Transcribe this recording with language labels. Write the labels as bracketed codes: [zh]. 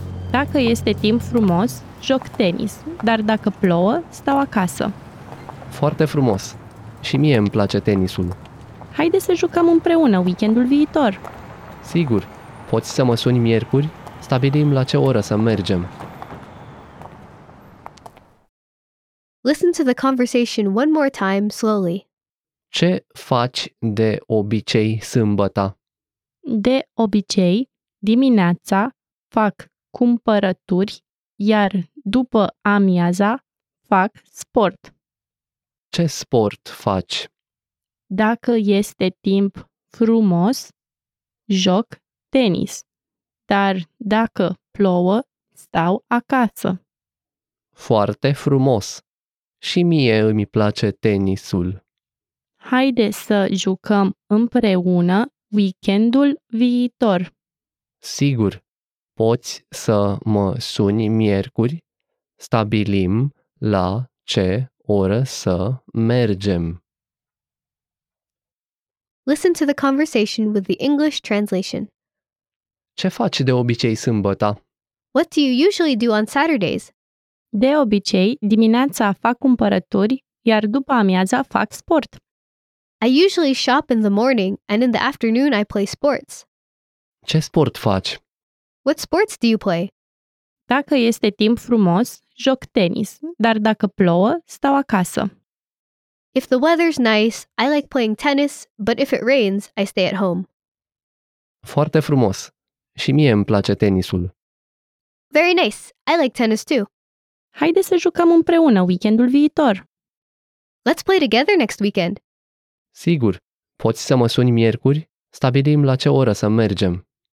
[ro] Dacă este timp frumos, joc tenis, dar dacă plouă, stau acasă. Foarte frumos. Și mie îmi place tenisul. Haide să jucăm împreună weekendul viitor. Sigur. Poți să mă suni miercuri? Stabilim la ce oră să mergem. [en] Listen to the conversation one more time slowly. [ro] Ce faci de obicei sâmbăta? De obicei, dimineața fac cumpărături, iar după amiaza fac sport. Ce sport faci? Dacă este timp frumos, joc tenis. Dar dacă plouă, stau acasă. Foarte frumos. Și mie îmi place tenisul. Haide să jucăm împreună weekendul viitor. Sigur. Poți să mă suni miercuri? Stabilim la ce oră să mergem. [en] Listen to the conversation with the English translation. [ro] Ce faci de obicei sâmbăta? [en] What do you usually do on Saturdays? [ro] De obicei, dimineața fac cumpărături, iar după amiaza fac sport. [en] I usually shop in the morning and in the afternoon I play sports. [ro] Ce sport faci? [en] What sports do you play? [ro] Dacă este timp frumos, joc tenis, dar dacă plouă, stau acasă. [en] If the weather's nice, I like playing tennis, but if it rains, I stay at home. [ro] Foarte frumos. Și mie îmi place tenisul. [en] Very nice. I like tennis too. [ro] Haide să jucăm împreună weekendul viitor. [en] Let's play together next weekend. [ro] Sigur. Poți să mă suni miercuri? Stabilim la ce oră să mergem.